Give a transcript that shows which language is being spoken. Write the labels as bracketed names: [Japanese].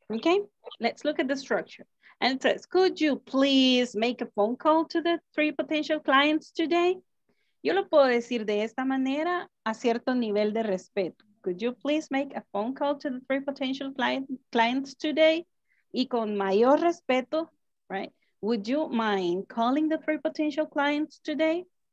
[English] Okay, let's look at the structure. And it says, could you please make a phone call to the three potential clients today? [Spanish] Yo lo puedo decir de esta manera a cierto nivel de respeto. [English] Could you please make a phone call to the three potential clients today? [Spanish] Y con mayor respeto, [English] right? Would you mind calling the three potential clients today?